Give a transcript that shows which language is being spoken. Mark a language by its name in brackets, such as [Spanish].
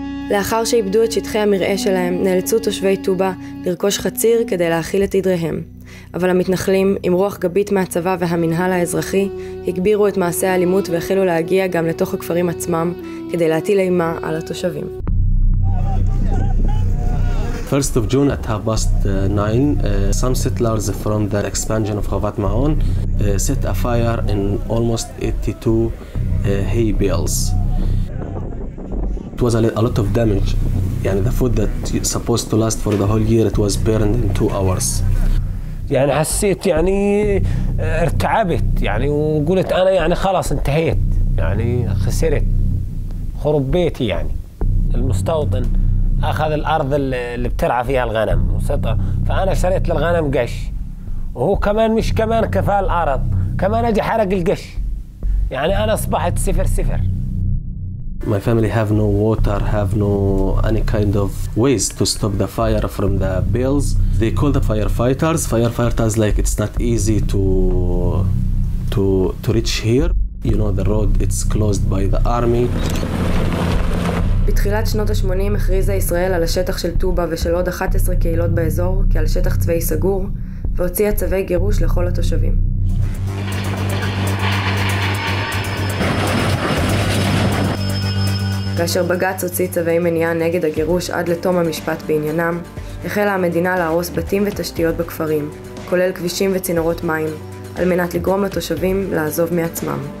[Hebrew] לאחר שאיבדו את שטחי המרעה שלהם, נאלצו תושבי טובה לרכוש חציר כדי להכיל את עדריהם. אבל המתנחלים, עם רוח גבית מהצבא והמנהל האזרחי, הגבירו את מעשי האלימות והחלו להגיע גם לתוך הכפרים עצמם כדי להטיל אימה על התושבים. [English] First of June at half past 9, some settlers from the expansion of Khawat Maon set a fire in almost 82 hay bales. It was a lot of damage. يعني the food that supposed to last for the whole year, it was burned in 2 hours. [Arabic] يعني حسيت يعني ارتعبت يعني وقلت انا يعني خلاص انتهيت يعني خسرت خرب بيتي يعني المستوطن اخذ الارض اللي بترعى فيها الغنم وسطها فانا شريت للغنم قش وهو كمان مش كمان كفال الارض كمان اجى حرق القش يعني انا اصبحت 0-0. [English] My family have no water, have no any kind of ways to stop the fire from the bales. They call the firefighters. Firefighters like it's not easy to reach here. You know the road, it's closed by the army. [Hebrew] בתחילת שנות ה-80 הכריזה ישראל על השטח של טובה ושל עוד 11 קהילות באזור כעל שטח צבאי סגור והוציאה צווי גירוש לכל התושבים. ב-2015 כאשר בגץ הוציא צווי מניעה נגד הגירוש עד לתום המשפט בעניינם, החלה המדינה להרוס בתים ותשתיות בכפרים, כולל כבישים וצינורות מים, על מנת לגרום לתושבים לעזוב מעצמם.